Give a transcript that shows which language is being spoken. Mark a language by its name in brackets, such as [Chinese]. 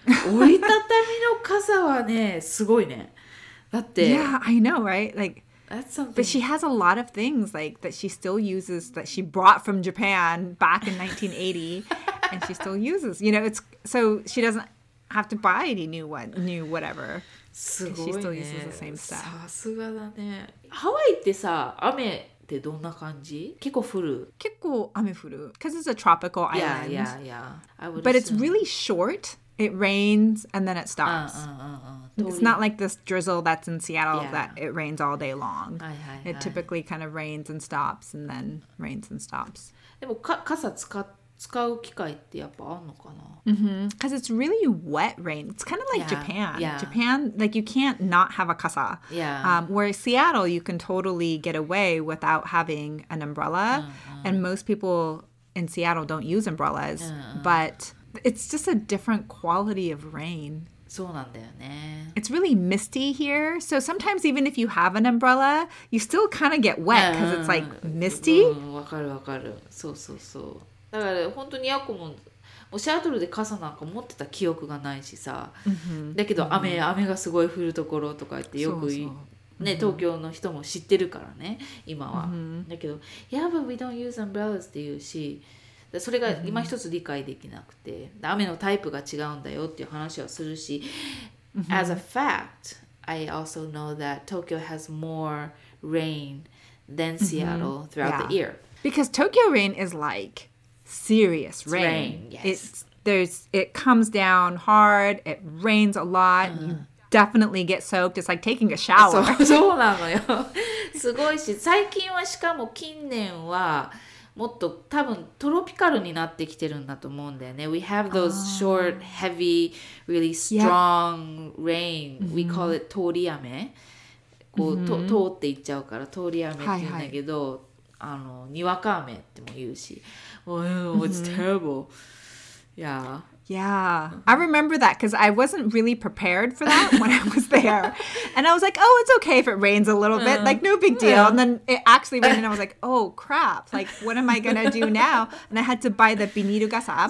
[Japanese] Oritatami no kasa はね、すごいね。だって。 [English] Yeah, I know, right? Like, That's something. But she has a lot of things like that she still uses that she brought from Japan back in 1980 and she still uses. You know, it's so she doesn't have to buy any new whatever. [Japanese] すごいね。 [English] She still uses the same stuff. [Japanese] さすがだね。ハワイってさ、雨ってどんな感じ？結構降る。結構雨降る。 [English] Because it's a tropical island. Yeah, yeah, yeah. I would But it's really short. It rains and then it stops. It's not like this drizzle that's in Seattle yeah. that it rains all day long. It typically kind of rains and stops and then rains and stops. [Japanese] でも、傘使う機会ってやっぱあるのかな? [English] Mm-hmm. Because it's really wet rain. It's kind of like Japan. Yeah. Japan, like you can't not have a 傘. Yeah. Where Seattle, you can totally get away without having an umbrella. Mm-hmm. And most people in Seattle don't use umbrellas. Mm-hmm. But it's just a different quality of rain. [Japanese] そうなんだよね。 [English] It's really misty here. So sometimes even if you have an umbrella, you still kind of get wet because it's like misty. [Japanese] わかるわかる。そうそうそう。だから本当にヤコもシアトルで傘なんか持ってた記憶がないしさ。だけど雨がすごい降るところとかってよくね、東京の人も知ってるからね、今は。だけど、 [English] Yeah, but we don't use umbrellas [Japanese] って言うし、それが今一つ理解できなくて、mm-hmm. 雨のタイプが違うんだよっていう話をするし、mm-hmm. [English] As a fact, I also know that Tokyo has more rain than Seattle throughout the year. Because Tokyo rain is like serious rain. It's rain, yes. It comes down hard, it rains a lot, definitely get soaked. It's like taking a shower. [Japanese] そうなのよ。すごいし、最近はしかも近年はもっと多分トロピカルになってきてるんだと思うんだよね。 [English] We have those short, heavy, really strong rain. We call it 通り雨。 [Japanese] こう、通っていっちゃうから通り雨って言うんだけど、にわか雨っても言うし。 [English] Oh, it's terrible. Yeah. Yeah, I remember that because I wasn't really prepared for that when I was there. And I was like, oh, it's okay if it rains a little bit, like no big deal. And then it actually rained and I was like, oh, crap. Like, what am I going to do now? And I had to buy the ビニール傘.